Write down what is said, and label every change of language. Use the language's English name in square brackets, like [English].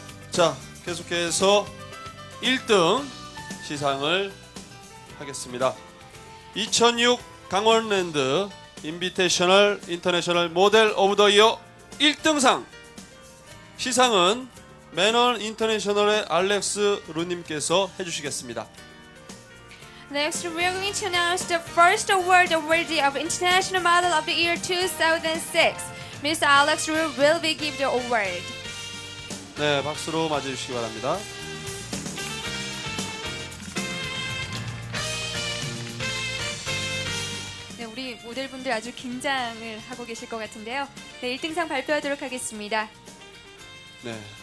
[Korean] 자, 계속해서 1등 시상을 하겠습니다. 2006 강원랜드 인비테이셔널 인터내셔널 모델 오브 더 이어 1등상 시상은 매넌 인터내셔널의 알렉스 루님께서 해주시겠습니다. [English] Next, we are going to announce the first award worthy of International Model of the Year 2006. Miss Alex Ru will be give the award. [Korean] 네, 박수로 맞아주시기 바랍니다. 우리 모델분들 아주 긴장을 하고 계실 것 같은데요. 네, 1등상 발표하도록 하겠습니다. 네.